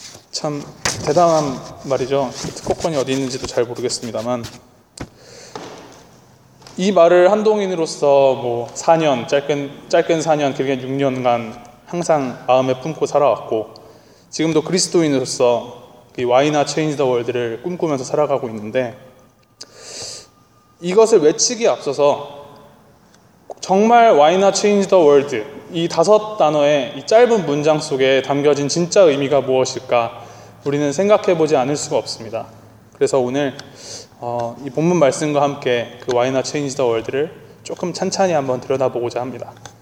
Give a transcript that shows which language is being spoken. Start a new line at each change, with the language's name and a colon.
Korean: 참 대단한 말이죠. 특허권이 어디 있는지도 잘 모르겠습니다만, 이 말을 한동인으로서 뭐 4년, 짧게는 4년, 길게는 6년간 항상 마음에 품고 살아왔고, 지금도 그리스도인으로서 이
English: Why not change the world
Korean: 를 꿈꾸면서 살아가고 있는데, 이것을 외치기에 앞서서 정말
English: Why not change the world?
Korean: 이 다섯 단어의 이 짧은 문장 속에 담겨진 진짜 의미가 무엇일까 우리는 생각해보지 않을 수가 없습니다. 그래서 오늘 이 본문 말씀과 함께 그
English: Why not change the world
Korean: 를 조금 찬찬히 한번 들여다보고자 합니다.